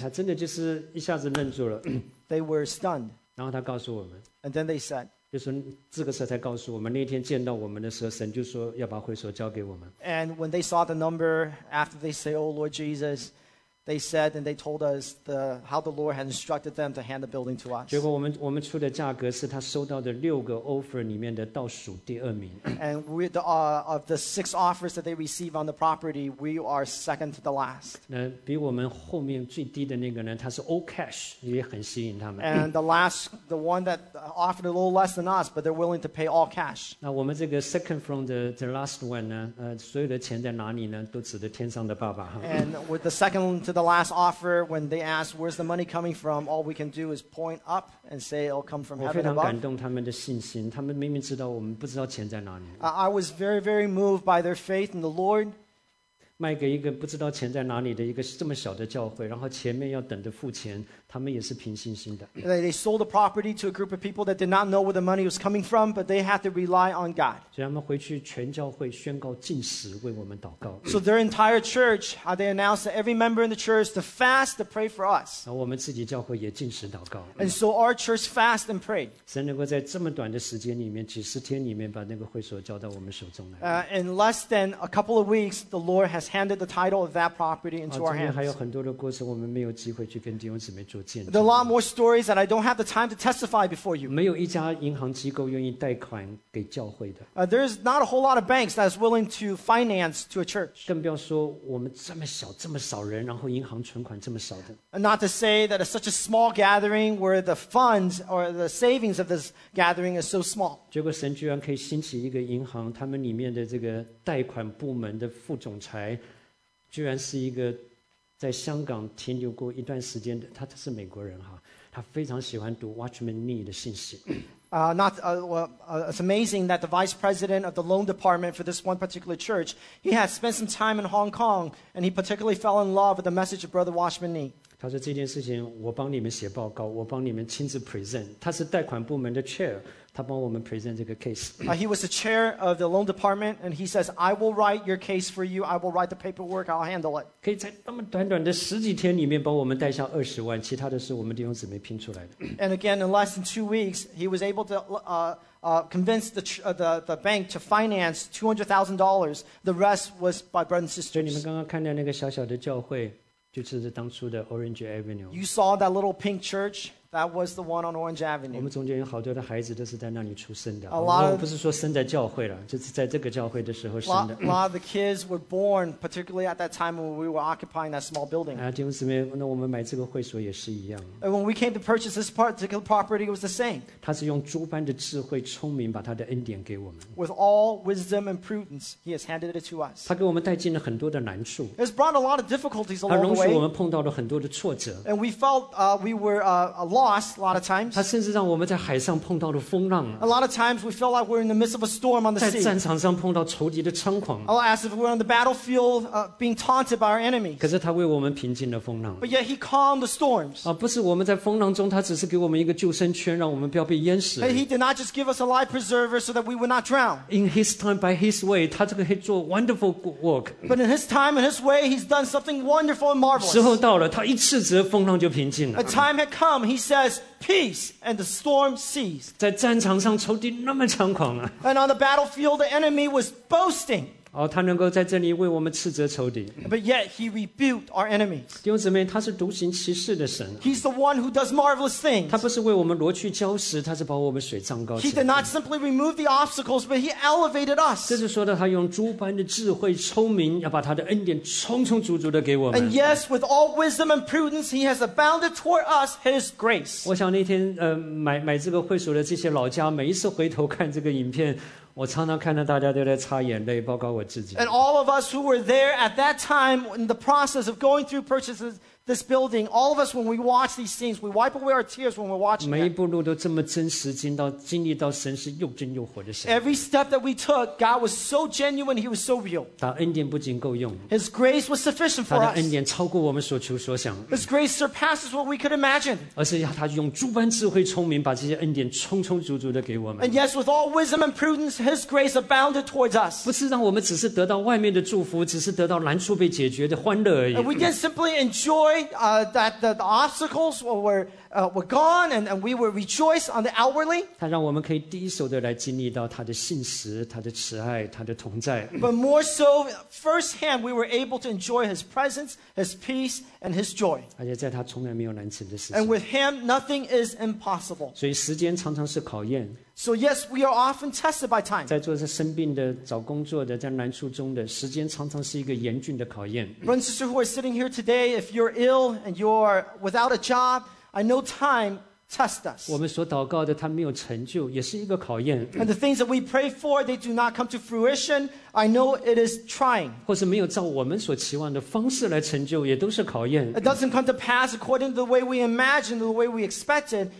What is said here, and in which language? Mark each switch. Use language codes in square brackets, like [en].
[zh] 他真的就是一下子愣住了 [en] They were stunned [zh] 然后他告诉我们 [en] and then they said [zh] 就是这个时候才告诉我们那天见到我们的时候神就说要把会所交给我们 [en] and when they saw the number after they say oh Lord Jesus they said and they told us how the Lord had instructed them to hand the building to us [zh] 结果我们出的价格是他收到的六个 offer 里面的倒数第二名 [en] and of the six offers that they received on the property we are second to the last [zh] 那比我们后面最低的那个呢他是 all cash 也很吸引他们 [en] and the one that offered a little less than us but they're willing to pay all cash [zh] 那我们这个 [en] second from the last one [zh] 呢所有的钱在哪里呢都指着天上的爸爸 [en] and with the second to the last offer when they ask where's the money coming from all we can do is point up and say it'll come from heaven above [zh] 我非常感动他们的信心他们明明知道我们不知道钱在哪里 [en] I was very very moved by their faith in the Lord [zh] 卖给一个不知道钱在哪里的一个这么小的教会然后前面要等着付钱他们也是凭信心的 [en] They sold the property to a group of people that did not know where the money was coming from but they had to rely on God [zh] 所以他们回去全教会宣告禁食为我们祷告 [en] So their entire church they announced that every member in the church to fast to pray for us [zh] 然后我们自己教会也禁食祷告 [en] And so our church fast and prayed [zh] 神能够在这么短的时间里面几十天里面把那个会所交到我们手中来 [en] In less than a couple of weeks the Lord has handed the title of that property into our hands [zh] 中间还有很多的过程我们没有机会去跟弟兄姊妹做 [en] There are a lot more stories that I don't have the time to testify before you. [zh] 没有一家银行机构愿意贷款给教会的。 [en] There's not a whole lot of banks that's willing to finance to a church. [zh] 更不要说我们这么小这么少人然后银行存款这么少的。 [en] Not to say that it's such a small gathering where the funds or the savings of this gathering is so small. [zh] 结果神居然可以兴起一个银行他们里面的这个贷款部门的副总裁居然是一个在香港停留过一段时间的他是美国人哈他非常喜欢读 Watchman Nee 的信息 [en] It's amazing that the vice president of the loan department for this one particular church he had spent some time in Hong Kong and he particularly fell in love with the message of Brother Watchman Nee [zh] 他说这件事情我帮你们写报告我帮你们亲自 present 他是贷款部门的 chair 他帮我们 present 这个 case [en] He was the chair of the loan department and he says I will write your case for you I will write the paperwork I'll handle it [zh] 可以在那么短短的十几天里面帮我们贷下二十万其他的是我们弟兄姊妹拼出来的 [en] And again in less than 2 weeks he was able to convince the bank to finance $200,000 the rest was by brothers and sisters [zh] 所以你们刚刚看到那个小小的教会就是当初的 Orange Avenue [en] You saw that little pink church That was the one on Orange Avenue. [zh] 我们中间有好多的孩子都是在那里出生的。 [en] A lot of, [zh] 我不是说生在教会了，就是在这个教会的时候生的。 [en] A lot of the kids were born, particularly at that time when we were occupying that small building. [zh] 啊，弟兄姊妹，那我们买这个会所也是一样。 [en] And when we came to purchase this particular property, it was the same. [zh] 他是用诸般的智慧、聪明把他的恩典给我们。 [en] With all wisdom and prudence, he has handed it to us. [zh] 他给我们带进了很多的难处。 [en] It's brought a lot of difficulties along the way. [zh] 他容许我们碰到了很多的挫折。 [en] And we felt we were a lot of times. [zh] 他甚至让我们在海上碰到了风浪。 [en] A lot of times we felt like we're in the midst of a storm on the sea. [zh] 在战场上碰到仇敌的猖狂。 [en] As if we're on the battlefield being taunted by our enemies. [zh] 可是他为我们平静了风浪。 [en] But yet he calmed the storms. [zh] 不是我们在风浪中，他只是给我们一个救生圈，让我们不要被淹死。 [en] And he did not just give us a life preserver so that we would not drown. In his time, by his way, [zh] 他这个可以做 [en] wonderful work. But in his time, in his way, he's done something wonderful and marvelous. [zh] 时候到了，他一斥责，风浪就平静了。 [en] A time had come, he said. Peace, and the storm ceased. [zh] 在战场上，仇敌那么猖狂啊！ [en] And on the battlefield, the enemy was boasting. [zh] 哦，他能够在这里为我们斥责仇敌。 [en] But yet he rebuked our enemies. [zh] 弟兄姊妹，他是独行其事的神。 [en] He's the one who does marvelous things. [zh] 他不是为我们挪去礁石，他是把我们水涨高。 [en] He did not simply remove the obstacles, but he elevated us. [zh] 这是说的他用诸般的智慧、聪明，要把他的恩典充充足足的给我们。 [en] And yes, with all wisdom and prudence, he has abounded toward us his grace. [zh] 我想那天买这个会所的这些老家，每一次回头看这个影片。我常常看到大家都在擦眼泪，包括我自己。 [en] And all of us who were there at that time in the process of going through purchases this building, all of us when we watch these scenes, we wipe away our tears when we're watching. [zh] 每一步路都这么真实，经历到神是又真又活的神。 [en] Every step that we took, God was so genuine, He was so real. [zh] 他恩典不仅够用。 [en] His grace was sufficient for us. [zh] 他的恩典超过我们所求所想。 [en] His grace surpasses what we could imagine. [zh] 而是要他用诸般智慧聪明，把这些恩典充充足足的给我们。 [en] And yes, with all wisdom and prudence, His grace abounded towards us. [zh] 不是让我们只是得到外面的祝福，只是得到难处被解决的欢乐而已。 [en] And we didn't simply enjoy that the obstacles were gone and we were rejoiced on the outwardly. [zh] 他让我们可以第一手的来经历到他的信实、他的慈爱、他的同在。 [en] But more so, firsthand, we were able to enjoy His presence, His peace, and His joy. [zh] 而且在他从来没有难成的事情。 [en] And with Him, nothing is impossible. [zh] 所以时间常常是考验。 [en] So yes, we are often tested by time. [zh] 在做着生病的、找工作的、在难处中的，时间常常是一个严峻的考验。 [en] Brothers and sisters who are sitting here today, if you're ill and you're without a job. I know time tests us. [zh] 我们所祷告的，它没有成就，也是一个考验。 [en] And the things that we pray for, they do not come to fruition. I know it is trying. [zh] 或是没有照我们所期望的方式来成就，也都是考验。 [en] It doesn't come to pass according to the way we imagined, the way we expected.